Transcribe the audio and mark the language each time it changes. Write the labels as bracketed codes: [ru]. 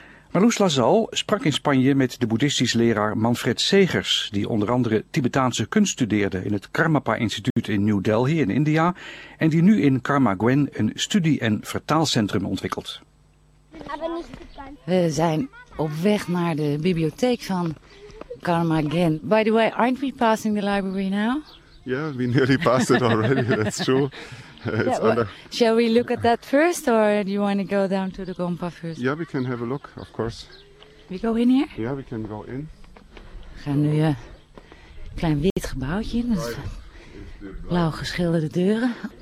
[nl] Marloes Lazal sprak in Spanje met de boeddhistisch leraar Manfred Segers, die onder andere Tibetaanse kunst studeerde in het Karmapa Instituut in New Delhi in India, en die nu in Karma Gwen een studie- en vertaalcentrum ontwikkelt. We zijn op weg naar de bibliotheek van Karma Gwen. [en] By the way, aren't we passing the library now? Yeah, we nearly passed it already, that's true. Shall we look at that first, or do you want to go down to the Gompa first? Yeah, we can have a look, of course. We go in here? Yeah, we can go in. [nl] We gaan nu een klein wit gebouwtje in, dus blauw geschilderde deuren.